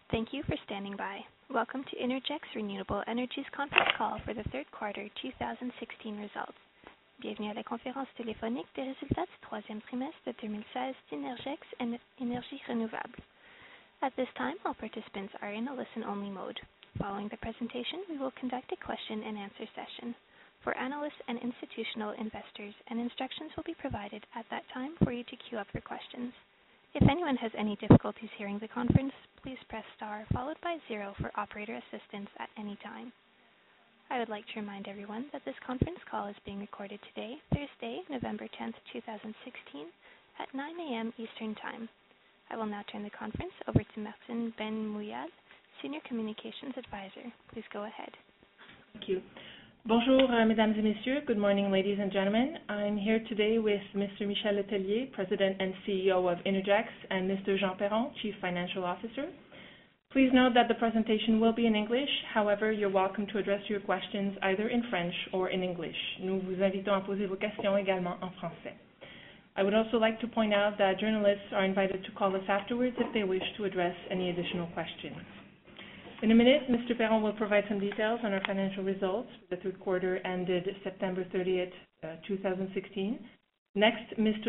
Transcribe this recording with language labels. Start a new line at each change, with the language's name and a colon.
English: Thank you for standing by. Welcome to Innergex Renewable Energy's conference call for the third quarter 2016 results.
French: Bienvenue à la conférence téléphonique des résultats du troisième trimestre de 2016 d'Innergex Énergie Renouvelable.
English: At this time, all participants are in a listen-only mode. Following the presentation, we will conduct a question-and-answer session for analysts and institutional investors, and instructions will be provided at that time for you to queue up for questions. If anyone has any difficulties hearing the conference, please press star followed by zero for operator assistance at any time. I would like to remind everyone that this conference call is being recorded today, Thursday, November 10th, 2016, at 9 a.m. Eastern Time. I will now turn the conference over to Martin Ben-Mouyad, Senior Communications Advisor. Please go ahead. Thank you.
French: Bonjour, mesdames et messieurs.
English: Good morning, ladies and gentlemen. I'm here today with Mr. Michel Letellier, President and CEO of Innergex, and Mr. Jean Perron, Chief Financial Officer. Please note that the presentation will be in English. However, you're welcome to address your questions either in French or in English.
French: Nous vous invitons à poser vos questions également en français.
English: I would also like to point out that journalists are invited to call us afterwards if they wish to address any additional questions. In a minute, Mr. Perron will provide some details on our financial results for the third quarter ended September 30, 2016. Next, Mr.